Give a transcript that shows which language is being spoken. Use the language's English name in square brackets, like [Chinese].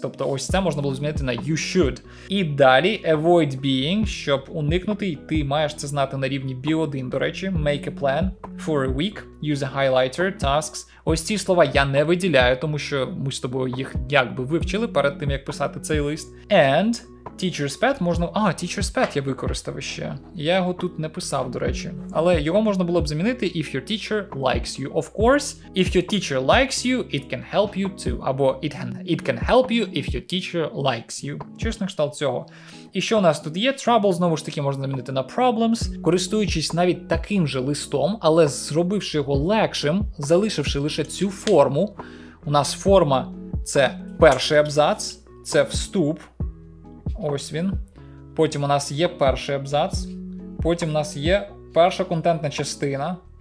[Ukrainian] Тобто ось це можна було б змінити на [English] you should. [Ukrainian] І далі, [English] avoid being, [Ukrainian] щоб уникнути, ти маєш це знати на рівні B1, до речі, [English] make a plan for a week, use a highlighter, [Ukrainian] tasks. Ось ці слова я не виділяю, тому що ми з тобою їх якби вивчили перед тим, як писати цей лист. And teacher's pet можна... А, teacher's pet я використав ще. Я його тут не писав, до речі. Але його можна було б замінити [English] if your teacher likes you. Of course, if your teacher likes you, it can help you too. Або it can help you if your teacher likes you. [Ukrainian] Чесно, кшталт цього. І що у нас тут є? Trouble, знову ж таки, можна замінити на problems. Користуючись навіть таким же листом, але зробивши його легшим, залишивши лише цю форму, у нас форма – це перший абзац, це вступ. Ось він. Потім у нас є перший абзац. Потім у нас є перша контентна частина.